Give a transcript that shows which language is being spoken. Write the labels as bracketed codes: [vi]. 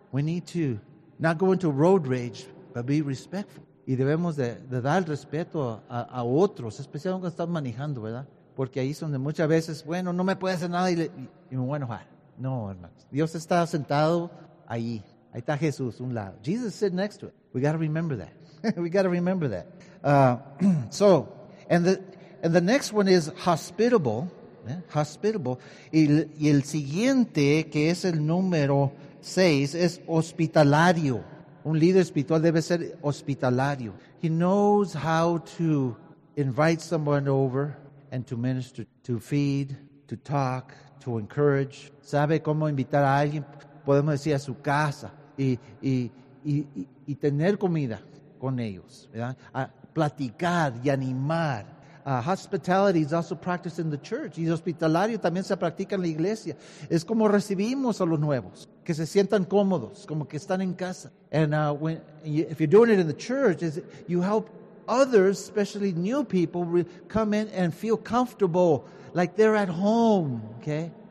[en] We need to not go into road rage, but be respectful. [es] Y debemos de dar respeto a otros, especialmente cuando estamos manejando, ¿verdad? Porque ahí es donde muchas veces, bueno, no me puede hacer nada y me voy a enojar. No, hermanos. Dios está sentado ahí. Ahí está Jesús, un lado. [en] Jesus is sitting next to it. We got to remember that. We got to remember that. So, and the next one is hospitable. Yeah? Hospitable. [es] Y el siguiente, que es el número 6, es hospitalario. Un líder espiritual debe ser hospitalario. [en] He knows how to invite someone over and to minister, to feed, to talk, to encourage. [es] Sabe cómo invitar a alguien, podemos decir, a su casa y tener comida con ellos, ¿verdad? A platicar y animar. [en] Hospitality is also practiced in the church. [es] Y hospitalario también se practica en la iglesia. Es como recibimos a los nuevos, que se sientan cómodos, como que están en casa. [en] And if you're doing it in the church, is you help others, especially new people, come in and feel comfortable, like they're at home, okay?